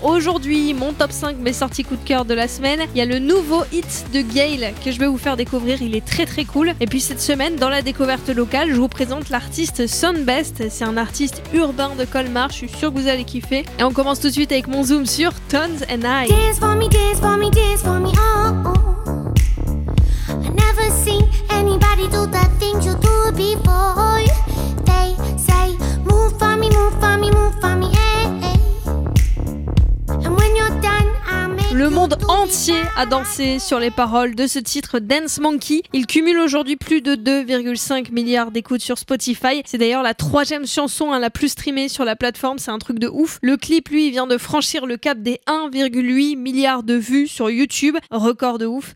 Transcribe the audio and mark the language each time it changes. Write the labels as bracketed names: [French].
[French] Aujourd'hui, mon top 5, mes sorties coup de cœur de la semaine. Il y a le nouveau hit de Gail que je vais vous faire découvrir. Il est très très cool. Et puis cette semaine, dans la découverte locale, je vous présente l'artiste Sunbest. C'est un artiste urbain de Colmar. Je suis sûre que vous allez kiffer. Et on commence tout de suite avec mon zoom sur Tones and I. [English] Dance for me, dance for me, dance for me, oh, oh. I never seen anybody do the things you do before. They say, move for me, move for me, move for me, hey, hey. And when you're done, I'll make you do it. [French] Le monde entier a dansé sur les paroles de ce titre Dance Monkey. Il cumule aujourd'hui plus de 2,5 milliards d'écoutes sur Spotify. C'est d'ailleurs la troisième chanson la plus streamée sur la plateforme. C'est un truc de ouf. Le clip, lui, vient de franchir le cap des 1,8 milliard de vues sur YouTube. Record de ouf.